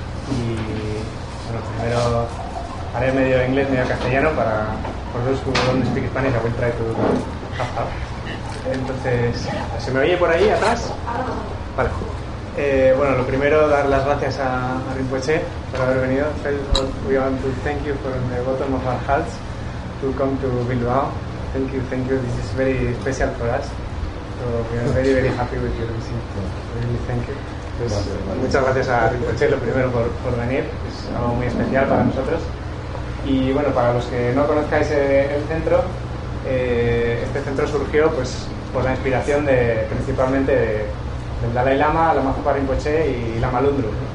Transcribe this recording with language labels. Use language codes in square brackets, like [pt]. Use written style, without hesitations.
[es] Y bueno, primero haré medio inglés, medio castellano para vosotros que no [en] speak Spanish, I will try to have. [es] Entonces, ¿se me oye por ahí atrás? Vale. Bueno, lo primero, dar las gracias a Rinpoche por haber venido. [en] We want to thank you from the bottom of our hearts to come to Bilbao. Thank you. This is very special for us. So we are very, very happy with you, Luis. Really, thank you. [es] Pues, muchas gracias a Rinpoche, lo primero, por venir. Es algo muy especial para nosotros. Y bueno, para los que no conozcáis el centro, este centro surgió pues, por la inspiración de principalmente del Dalai Lama, Lama Zopa Rinpoche y Lama Lundru.